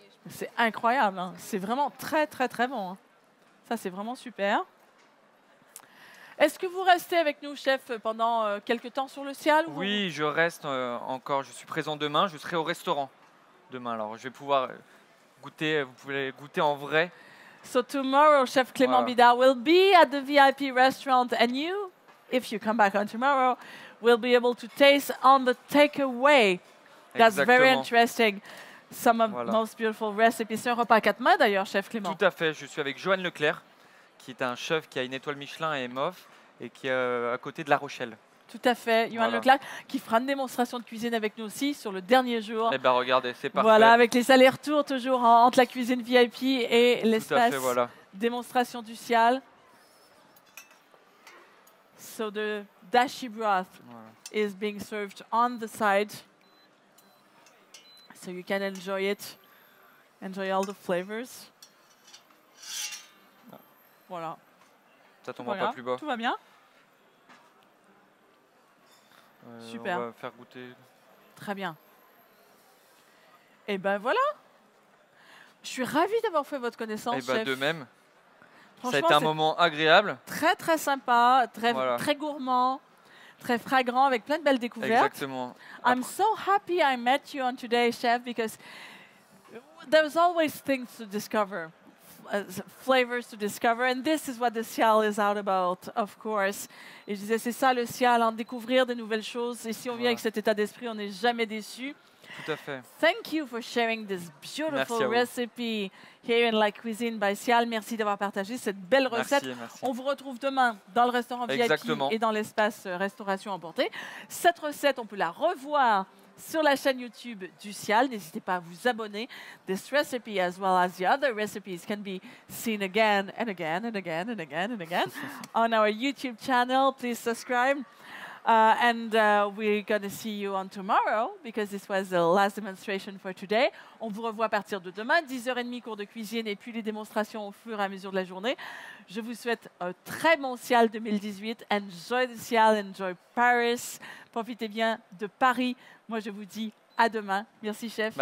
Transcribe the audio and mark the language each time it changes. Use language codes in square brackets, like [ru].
[fr] C'est incroyable, hein. C'est vraiment très très très bon. Hein. Ça c'est vraiment super. Est-ce que vous restez avec nous, chef, pendant quelques temps sur le ciel ou Oui, vous... je reste encore, je suis présent demain, je serai au restaurant demain. Alors je vais pouvoir goûter, vous pouvez goûter en vrai. [en] So tomorrow, chef Clément Bida will be at the VIP restaurant and you, if you come back on tomorrow, will be able to taste on the takeaway. That's [fr] Exactement. [en] Very interesting. Some of voilà. most beautiful recipes. [fr] C'est un repas à quatre mains d'ailleurs, chef Clément. Tout à fait. Je suis avec Joanne Leclerc, qui est un chef qui a une étoile Michelin et MOF, et qui est à côté de La Rochelle. Tout à fait. Joanne voilà. Leclerc, qui fera une démonstration de cuisine avec nous aussi sur le dernier jour. Eh bien, regardez, c'est parfait. Voilà, avec les allers-retours toujours entre la cuisine VIP et l'espace fait, voilà. démonstration du Cial. [en] So the dashi broth voilà. is being served on the side. So you can enjoy it, enjoy all the flavors. [fr] Voilà. Ça tombe voilà. pas plus bas. Tout va bien. Super. On va faire goûter. Très bien. Et ben voilà. Je suis ravie d'avoir fait votre connaissance, Et ben chef. De même. Ça a été un moment agréable. Très très sympa, très voilà. très gourmand. Très fragrant, avec plein de belles découvertes. Exactement. [en] I'm so happy I met you on today, chef, because there's always things to discover, flavors to discover, and this is what the Cial is out about, of course. [fr] Et je disais, c'est ça le Cial, en découvrir des nouvelles choses. Et si on vient avec cet état d'esprit, on n'est jamais déçu. Tout à fait. [en] Thank you for sharing this beautiful recipe here in La Cuisine by Cial. [fr] Merci d'avoir partagé cette belle recette. Merci. On vous retrouve demain dans le restaurant VIP Exactement. Et dans l'espace restauration emportée. Cette recette, on peut la revoir sur la chaîne YouTube du Cial. N'hésitez pas à vous abonner. [en] This recipe, as well as the other recipes, can be seen again and again and again and again and again on our YouTube channel. Please subscribe. We're going to see you on tomorrow because this was the last demonstration for today. [fr] On vous revoit à partir de demain, 10h30, cours de cuisine et puis les démonstrations au fur et à mesure de la journée. Je vous souhaite un très bon Cial 2018. [en] Enjoy the Cial, enjoy Paris. [fr] Profitez bien de Paris. Moi, je vous dis à demain. Merci, chef.